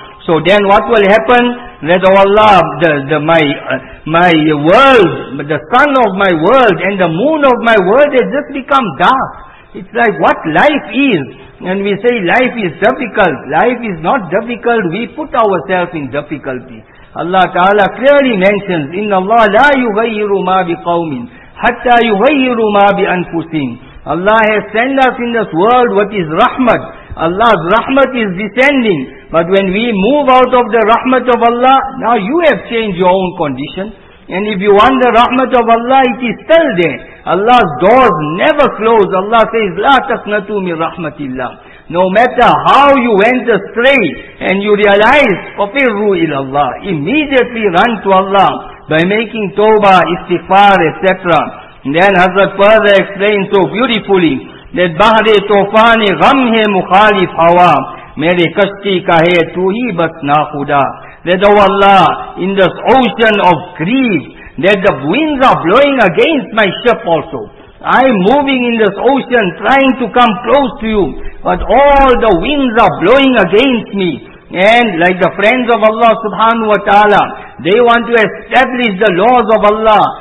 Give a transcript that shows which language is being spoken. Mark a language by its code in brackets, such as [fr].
[en] So then what will happen? That Allah, my world, the sun of my world and the moon of my world has just become dark. It's like what life is. And we say life is difficult. Life is not difficult. We put ourselves in difficulty. [ar] Allah Ta'ala clearly mentions, إِنَّ اللَّهَ لَا يُغَيِّرُ مَا بِقَوْمٍ حَتَّى يُغَيِّرُ مَا بِأَنْفُسٍ. [en] Allah has sent us in this world what is rahmat. Allah's rahmat is descending. But when we move out of the rahmat of Allah, now you have changed your own condition. And if you want the rahmat of Allah, it is still there. Allah's doors never close. [ar] Allah says, لا تقنطوا من رحمة الله. [en] No matter how you went astray and you realize, [ar] فَفِرُّوا إِلَى اللَّهِ. [en] Immediately run to Allah by making tawbah, istighfar, etc. [ur] And then Hazrat further explained so beautifully that بَحْرِ تُوفَانِ غَمْ هِ مُخَالِفْ هَوَى میرے کشتی کا ہے تو ہی بس نا خدا. [en] That oh Allah, in this ocean of grief, that the winds are blowing against my ship also. I'm moving in this ocean trying to come close to you, but all the winds are blowing against me. And like the friends of Allah subhanahu wa ta'ala, they want to establish the laws of Allah.